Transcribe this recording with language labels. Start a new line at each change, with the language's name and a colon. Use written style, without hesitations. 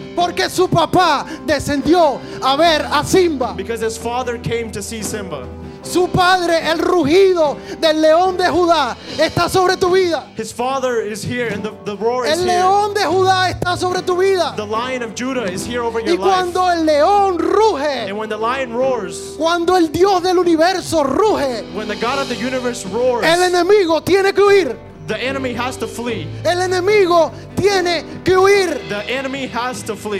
Spanish: Porque su papá descendió a ver a Simba.
English: Because his father came to see Simba.
Spanish: Su padre, el rugido del león de Judá, está sobre tu vida.
English: His father is here and the roar is here.
Spanish: El león de Judá está sobre tu vida.
English: The lion of Judah is here over your
Spanish: life. Y cuando el león ruge,
English: and when the lion roars,
Spanish: cuando el Dios del universo ruge,
English: when the God of the universe roars,
Spanish: el enemigo tiene que huir.
English: The enemy has to flee.
Spanish: El enemigo tiene que huir.
English: The enemy has to flee.